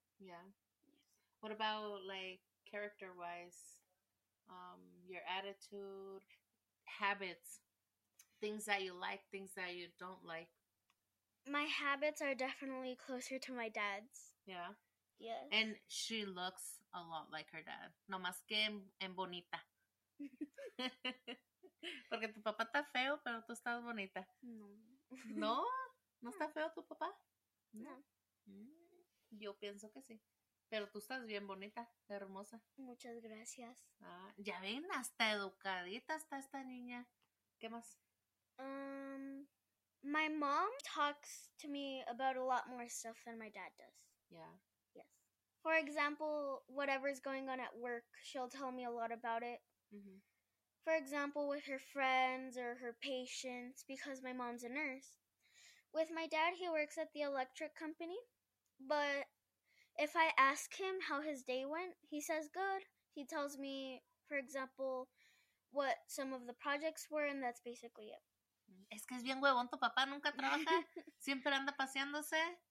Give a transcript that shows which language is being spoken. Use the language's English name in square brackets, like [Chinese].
[English] Yeah. What about, like, character-wise, your attitude, habits, things that you like, things that you don't like? My habits are definitely closer to my dad's. Yeah? Yes. And she looks a lot like her dad. [Spanish] No más que en bonita. Porque tu papá está feo, pero tú estás bonita. No. ¿No? ¿No está feo tu papá? No. Yo pienso que sí. Pero tú estás bien bonita, hermosa. Muchas gracias. Ah, ya ven, hasta educadita está esta niña. ¿Qué más? [English] My mom talks to me about a lot more stuff than my dad does. Yeah. Yes. For example, whatever's going on at work, she'll tell me a lot about it. Mm-hmm. For example, with her friends or her patients, because my mom's a nurse. With my dad, he works at the electric company, but if I ask him how his day went, he says good. He tells me, for example, what some of the projects were, and that's basically it. [Spanish] Es que es bien huevón, tu papá nunca trabaja, siempre anda paseándose.